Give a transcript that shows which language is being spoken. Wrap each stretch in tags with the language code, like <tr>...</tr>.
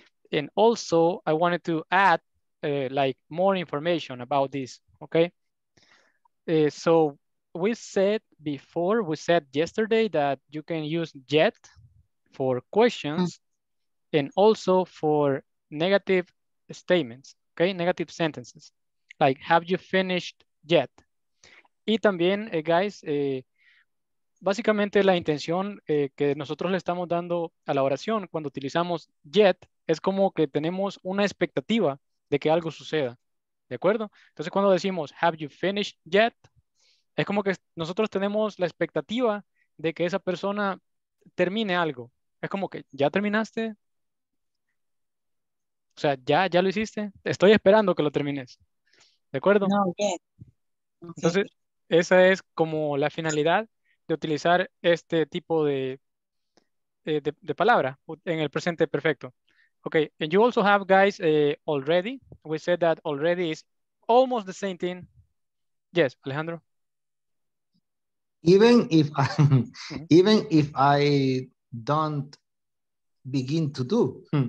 <en>And also, I wanted to add like more information about this, okay? So we said yesterday that you can use yet for questions and also for negative statements, okay? Negative sentences, like, have you finished yet?</en> <es>Y también, guys, básicamente la intención que nosotros le estamos dando a la oración cuando utilizamos yet es como que tenemos una expectativa de que algo suceda. ¿De acuerdo? Entonces, cuando decimos,</es> <en>have you finished yet?</en> <es>Es como que nosotros tenemos la expectativa de que esa persona termine algo. Es como que, ¿ya terminaste? O sea, ¿ya lo hiciste? Estoy esperando que lo termines. ¿De acuerdo?</es> <en>No, yet.</en> <es>Entonces, esa es como la finalidad de utilizar este tipo de palabra en el presente perfecto.</es> <en>Okay, and you also have, guys, already. We said that already is almost the same thing. Yes, Alejandro. Even if I don't begin to do.</en>